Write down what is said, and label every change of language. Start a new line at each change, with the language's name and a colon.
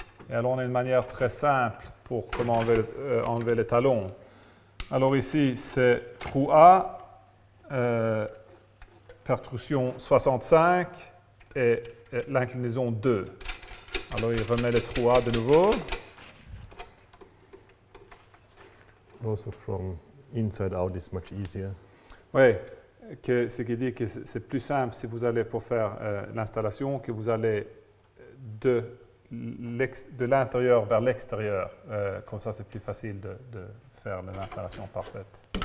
French: Et alors, on a une manière très simple pour comment enlever les talons. Alors ici, c'est trou A, pertrusion 65 et l'inclinaison 2. Alors, il remet le trou A de nouveau.
English: Also from inside out, it's much easier.
French: Oui, que ce qui dit que c'est plus simple si vous allez pour faire l'installation, que vous allez de l'intérieur vers l'extérieur. Comme ça, c'est plus facile de faire l'installation parfaite.